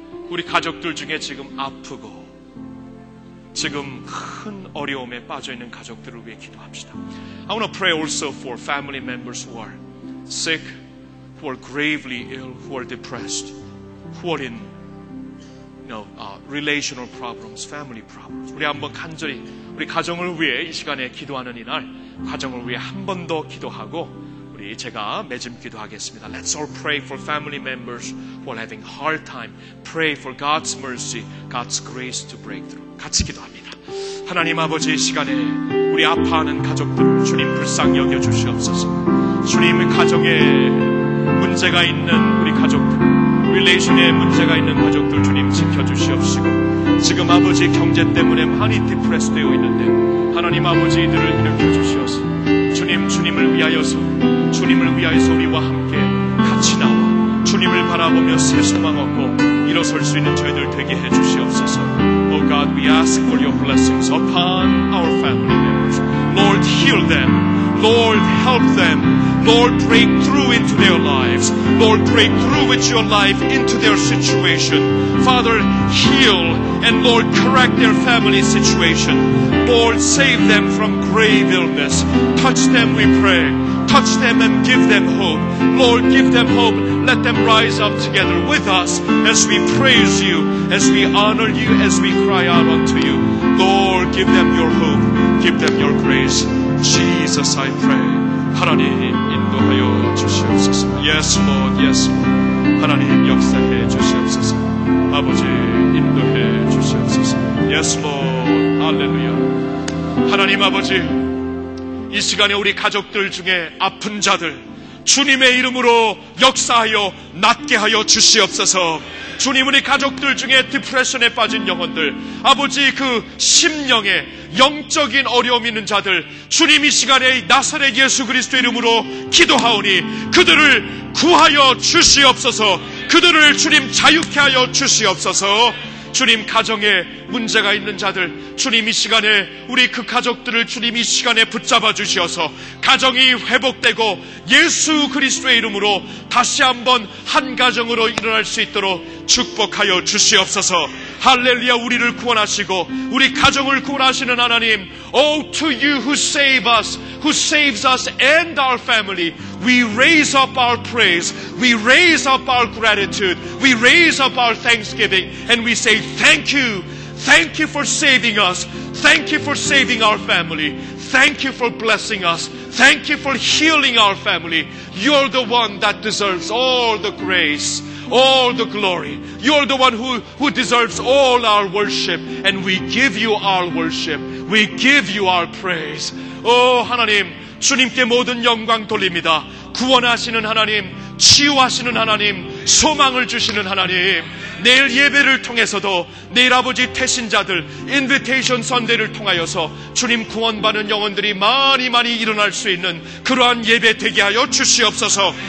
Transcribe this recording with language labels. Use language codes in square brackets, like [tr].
[ko] 우리 가족들 중에 지금 아프고 지금 큰 어려움에 빠져있는 가족들을 위해 기도합시다. [en] I want to pray also for family members who are sick, who are gravely ill, who are depressed, who are in, you know, relational problems, family problems. [ko] 우리 한번 간절히 우리 가정을 위해 이 시간에 기도하는 이날 가정을 위해 한 번 더 기도하고 우리 제가 맺음 기도하겠습니다. [en] Let's all pray for family members who are having hard time. Pray for God's mercy, God's grace to break through. [ko] 같이 기도합니다. 하나님 아버지, 이 시간에 우리 아파하는 가족들을 주님 불쌍히 여겨주시옵소서. 주님의 가정에 문제가 있는 우리 가족들, 릴레이션에 문제가 있는 가족들 주님 지켜주시옵시고, 지금 아버지 경제 때문에 많이 디프레스 되어 있는데 하나님 아버지 이들을 일으켜주시옵소서. 주님, 주님을 위하여서, 주님을 위하여서 우리와 함께 같이 나와 주님을 바라보며 새 소망 얻고 일어설 수 있는 저희들 되게 해주시옵소서. [en] Oh God, we ask for your blessings upon our family members. Lord, heal them. Lord, help them. Lord, break through into their lives. Lord, break through with your life into their situation. Father, heal and Lord, correct their family situation. Lord, save them from grave illness. Touch them, we pray. Touch them and give them hope. Lord, give them hope. Let them rise up together with us as we praise you, as we honor you, as we cry out unto you. Lord, give them your hope. Give them your grace. Jesus, I pray. [ko] 하나님 인도하여 주시옵소서. [en] Yes, Lord, yes, Lord. [ko] 하나님 역사해 주시옵소서. 아버지 인도해 주시옵소서. [en] Yes, Lord. Hallelujah. [ko] 하나님 아버지, 이 시간에 우리 가족들 중에 아픈 자들 주님의 이름으로 역사하여 낫게 하여 주시옵소서. 주님, 우리 가족들 중에 디프레션에 빠진 영혼들, 아버지 그 심령에 영적인 어려움 있는 자들 주님 이 시간에 나사렛 예수 그리스도 이름으로 기도하오니 그들을 구하여 주시옵소서. 그들을 주님 자유케 하여 주시옵소서. 주님 가정에 문제가 있는 자들, 주님 이 시간에 우리 그 가족들을 주님 이 시간에 붙잡아 주시어서 가정이 회복되고 예수 그리스도의 이름으로 다시 한번 한 가정으로 일어날 수 있도록 축복하여 주시옵소서. 할렐루야. 우리를 구원하시고 우리 가정을 구원하시는 하나님, [en] Oh to you who save us, who saves us and our family, we raise up our praise, we raise up our gratitude, we raise up our thanksgiving, and we say thank you for saving us, thank you for saving our family, thank you for blessing us, thank you for healing our family. You're the one that deserves all the grace, all the glory. You're the one who deserves all our worship, and we give you our worship, we give you our praise. [ko] Oh, 하나님, 주님께 모든 영광 돌립니다. 구원하시는 하나님, 치유하시는 하나님, 소망을 주시는 하나님, 내일 예배를 통해서도 내일 아버지 태신자들 인비테이션 선대를 통하여서 주님 구원받은 영혼들이 많이 많이 일어날 수 있는 그러한 예배 되게 하여 주시옵소서.